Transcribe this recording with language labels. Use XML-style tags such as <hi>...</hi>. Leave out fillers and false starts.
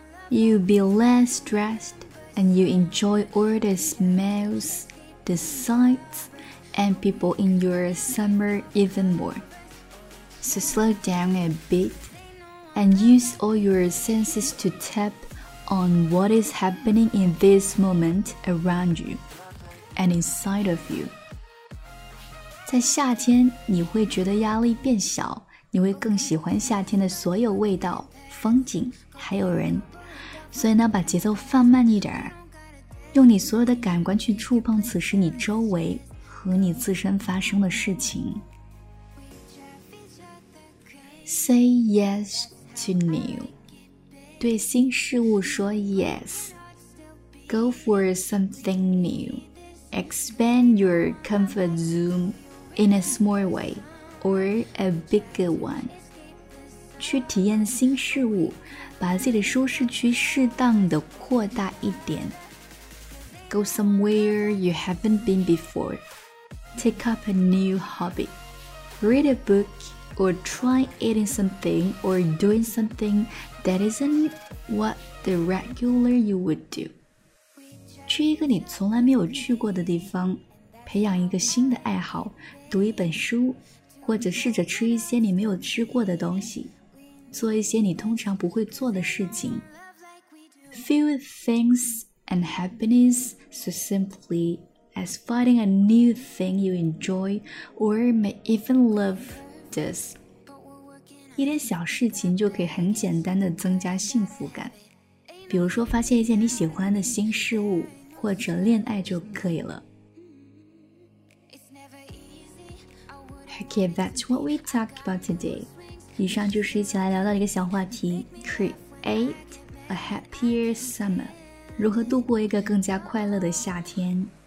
<en>You'll be less stressed and you enjoy all the smells, the sights and people in your summer even more. So slow down a bit and use all your senses to tap on what is happening in this moment around youand inside of you.</en> <zh>在夏天你会觉得压力变小，你会更喜欢夏天的所有味道、风景还有人，所以呢把节奏放慢一点，用你所有的感官去触碰此时你周围和你自身发生的事情。</zh> <en>Say yes to new，</en> <zh>对新事物说</zh> <en>yes。 Go for something newExpand your comfort zone in a small way or a bigger one.</en> <zh>去体验新事物，把自己的舒适区适当的扩大一点。</zh> <en>Go somewhere you haven't been before. Take up a new hobby. Read a book or try eating something or doing something that isn't what the regular you would do.</en> <zh>去一个你从来没有去过的地方，培养一个新的爱好，读一本书，或者试着吃一些你没有吃过的东西，做一些你通常不会做的事情。</zh> <en>Feel things and happiness so simply as finding a new thing you enjoy or may even love this.</en> <zh>一点小事情就可以很简单地增加幸福感，比如说发现一件你喜欢的新事物或者恋爱就可以了。</zh> <en>Okay, that's what we talked about today.</en> <zh>以上就是一起来聊到一个小话题，</zh> <en>Create a happier summer，</en> <zh>如何度过一个更加快乐的夏天。</zh>